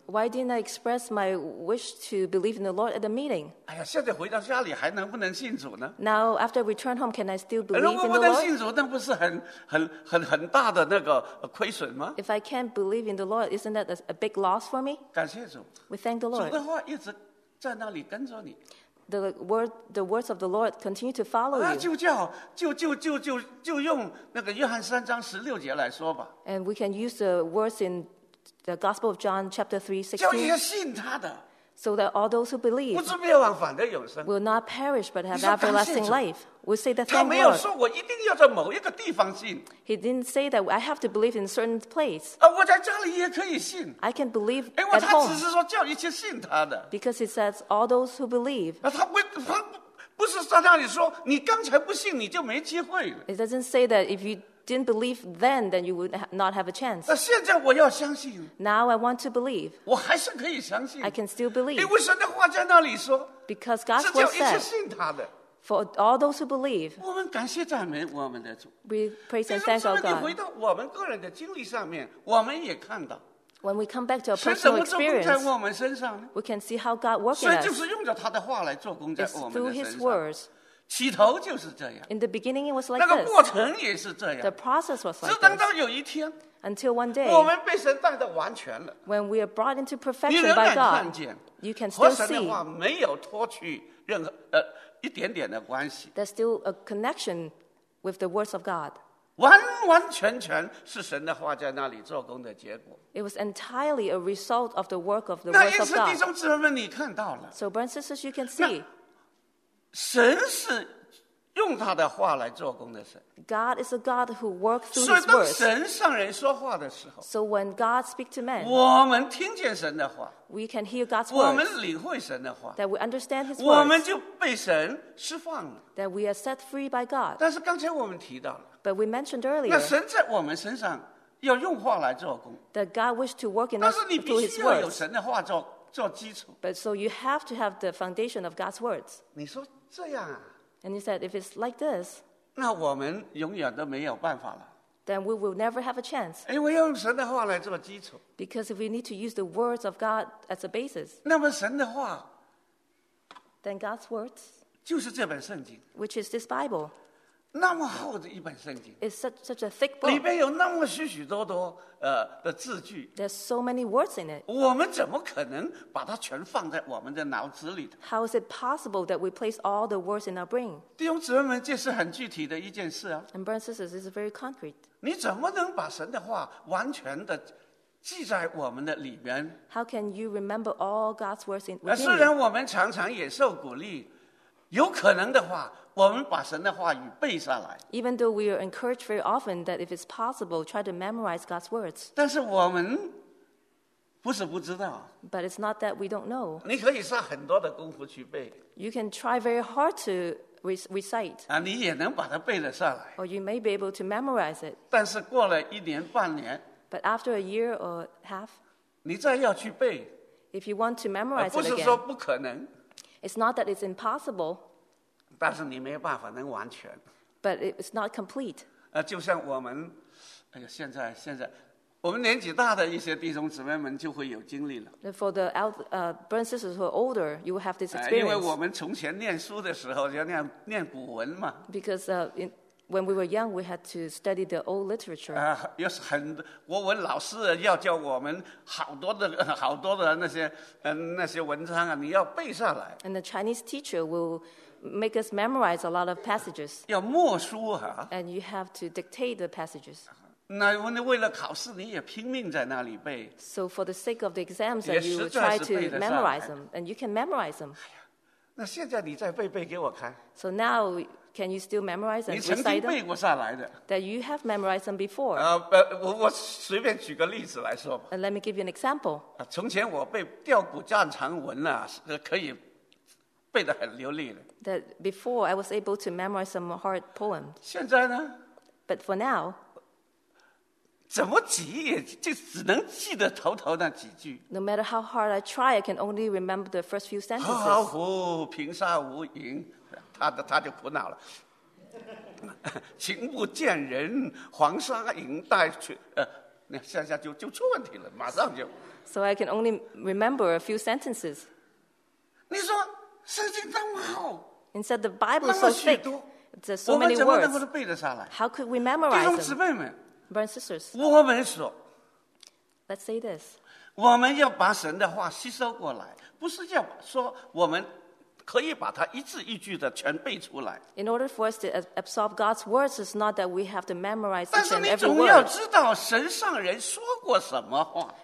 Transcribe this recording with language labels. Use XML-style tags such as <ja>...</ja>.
<en>Why didn't I express my wish to believe in the Lord at the meeting?</en> <zh>哎呀，现在回到家里还能不能信主呢？</zh> <en>Now after I return home, can I still believe in the Lord?</en> <zh>如果不能信主，那不是很大的那个亏损吗？</zh> <en>If I can't believe in the Lord, isn't that a big loss for me?</en> <zh>感谢主。</zh> <en>We thank the Lord.</en> <zh>主的话一直在那里跟着你。</zh> <en>The words of the Lord continue to follow you.</en> <zh>就用那个约翰三章十六节来说吧。</zh> <en>And we can use the words in the Gospel of John chapter 3:16.</en> <zh>叫一些信他的。</zh> <en>So that all those who believe</en> <zh>不至灭亡反得永生。</zh> <en>Will not perish but have everlasting life. We say that thank God.</en> <zh>他没有说我一定要在某一个地方信。</zh> <en>He didn't say that I have to believe in a certain place.</en> <zh>我在家里也可以信。</zh> <en>I can believe at home.</en> <zh>因为他只是说叫一些信他的。</zh> <en>Because he says all those who believe.</en> <zh>他不是在那里说你刚才不信你就没机会了。</zh> <en>It doesn't say that if you didn't believe then you would not have a chance.</en> <zh>现在我要相信。</zh> <en>Now I want to believe.</en> <zh>我还是可以相信。</zh> <en>I can still believe.</en> <zh>因为神的话在那里说。</zh> <en>Because God's word said.</en> <zh>是叫一切信他的。</zh> <en>For all those who believe,</en> <zh>我们感谢赞美我们的主。</zh> <en>We praise and thank our God.</en> <zh>你回到我们个人的经历上面，我们也看到。</zh> <en>When we come back to our personal experience, we can see how God works in us.</en> <zh>所以就是用着他的话来做工在我们的身上。</zh> <en>It's through his words.</en> <zh>起头就是这样。</zh> <en>In the beginning it was like this.</en> <zh>那个过程也是这样。</zh> <en>The process was like this.</en> <zh>直等到有一天。</zh> <en>Until one day.</en> <zh>我们被神带得完全了。</zh> <en>When we are brought into perfection by God.</en> <zh>你仍然看见。</zh> <en>You can still see.</en> <zh>和神的话没有脱去任何一点点的关系。</zh> <en>There's still a connection with the words of God.</en> <zh>完完全全是神的话在那里做工的结果。</zh> <en>It was entirely a result of the work of the words of God.</en> <zh>那意思弟兄姊妹们你看到了。</zh> <en>So brothers and sisters you can see.</en> <zh>神是用他的话来做工的神。</zh> <en>God is a God who works through His words.</en> <zh>所以当神向人说话的时候</zh> <en>，So when God speaks to men,</en> <zh>我们听见神的话</zh> <en>，We can hear God's words.</en> <zh>我们领会神的话</zh> <en>，That we understand His words.</en> <zh>我们就被神释放了</zh> <en>，That we are set free by God.</en> <zh>但是刚才我们提到了</zh> <en>，But we mentioned earlier.</en> <zh>那神在我们身上要用话来做工</zh> <en>，That God wished to work in us through His words.</en> <zh>但是你必须要有神的话做。做基础。</zh> <en>But so you have to have the foundation of God's words.</en> <zh>你说这样啊。</zh> <en>And he said, if it's like this,</en> <zh>那我们永远都没有办法了。</zh> <en>Then we will never have a chance.</en> <zh>因为用神的话来做基础。</zh> <en>Because if we need to use the words of God as a basis,</en> <zh>那么神的话</zh> <en>then God's words,</en> <zh>就是这本圣经。</zh> <en>Which is this Bible.</en> <zh>那么厚的一本圣经。</zh> <en>It's such a thick book.</en> <zh>里面有那么许许多多的字句。</zh> <en>There's so many words in it.</en> <zh>我们怎么可能把它全放在我们的脑子里的</zh> <en>？How is it possible that we place all the words in our brain?</en> <zh>弟兄姊妹们，这是很具体的一件事啊。</zh> <en>And brothers and sisters, this is very concrete.</en> <zh>你怎么能把神的话完全的记在我们的里面</zh> <en>？How can you remember all God's words in?</en> <zh>虽然我们常常也受鼓励，有可能的话。我们把神的话语背下来。</zh> <en>Even though we are encouraged very often that if it's possible, try to memorize God's words.</en> <zh>但是我们不是不知道。</zh> <en>But it's not that we don't know.</en> <zh>你可以下很多的功夫去背。</zh> <en>You can try very hard to recite.</en> <zh>啊，你也能把它背得下来。</zh> <en>Or you may be able to memorize it.</en> <zh>但是过了一年半年。</zh> <en>But after a year or half.</en> <zh>你再要去背。</zh> <en>If you want to memorize it again.</en> <zh>不是说不可能。</zh> <en>It's not that it's impossible.</en> <zh>但是你没有办法能完全。</zh> <en>But it's not complete.</en> <zh>就像我们，现在，我们年纪大的一些弟兄姊妹们就会有经历了。</zh> <en>For the brothers and sisters who are older, you will have this experience.</en> <zh>因为我们从前念书的时候就念古文嘛。</zh> <en>Because when we were young, we had to study the old literature.</en> <zh>又是很国文老师要教我们好多的那些文章啊，你要背下来。</zh> <en>And the Chinese teacher will. Make us memorize a lot of passages.</en> <zh>要默书啊。</zh> <en>And you have to dictate the passages.</en> <zh>那你为了考试，你也拼命在那里背。</zh> <en>So for the sake of the exams, and you try to memorize them, and you can memorize them.</en> <zh>那现在你再背给我看。</zh> <en>So now, can you still memorize and recite them?</en> <zh>你曾经背过下来的。</zh> <en>That you have memorized them before.</en> <zh>我随便举个例子来说吧。</zh> <en>And let me give you an example.</en> <zh>从前我背《吊古战场文》啊，可以。背得很流利了。</zh> <en>That before I was able to memorize some hard poems.</en> <zh>现在呢</zh> <en>？But for now.</en> <zh>怎么记也就只能记得头头那几句。</zh> <en>No matter how hard I try, I can only remember the first few sentences.</en> <zh>好虎平沙无影，他就苦恼了。情不见人，黄沙影带去。那下就出问题了，马上就。</zh> <en>So I can only remember a few sentences.</en> <zh>你说。圣经那么厚</zh> <en>Instead, the Bible is so thick. There's so many words. How could we memorize them?</en> <zh>弟兄姊妹们</zh> <en>Brothers and sisters.</en> <zh>我们说</zh> <en>Let's say this.</en> <zh>我们要把神的话吸收过来不是要说我们可以把它一字一句的全背出来</zh> <en>In order for us to absorb God's words, it's not that we have to memorize each and every word.</en> <zh>但是你总要知道神上人说过什么话</zh>